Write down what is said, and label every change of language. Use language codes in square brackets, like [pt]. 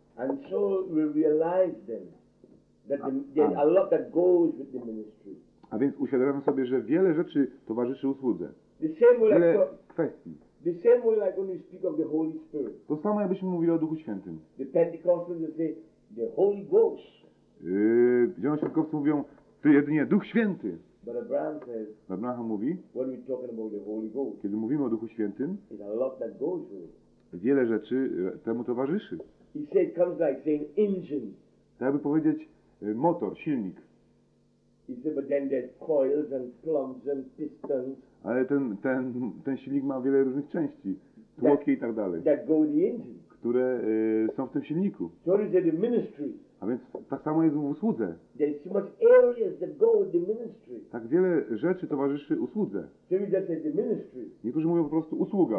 [en] And so we realize then that there's a lot that goes with the ministry. [pl] A więc uświadamiamy sobie, że wiele rzeczy towarzyszy usłudze. [en] The same way [pl] wiele kwestii. [en] The same way like when we speak of the Holy Spirit. [pl] To samo jakbyśmy mówili o Duchu Świętym. [en] The Pentecostals say the Holy Ghost. [pl] Zielonoświątkowcy mówią, to jedynie Duch Święty. [en] But Abraham says. [pl] Abraham mówi. [en] When we're talking about the Holy Ghost. [pl] Kiedy mówimy o Duchu Świętym. [en] It's a lot that goes with. [pl] Wiele rzeczy temu towarzyszy. [en] He said, comes like saying engine. [pl] Tak by powiedzieć motor, silnik. [en] He said, but then there's coils and plugs and pistons. [pl] Ale ten silnik ma wiele różnych części, tłoki i tak dalej, [en] that go in the engine. [pl] Które są w tym silniku. [en] So is it the ministry. [pl] A więc tak samo jest w usłudze. [en] There is so much areas that go with the ministry. [pl] Tak wiele rzeczy towarzyszy usłudze. [en] So is it the ministry. [pl] Niektórzy mówią po prostu usługa.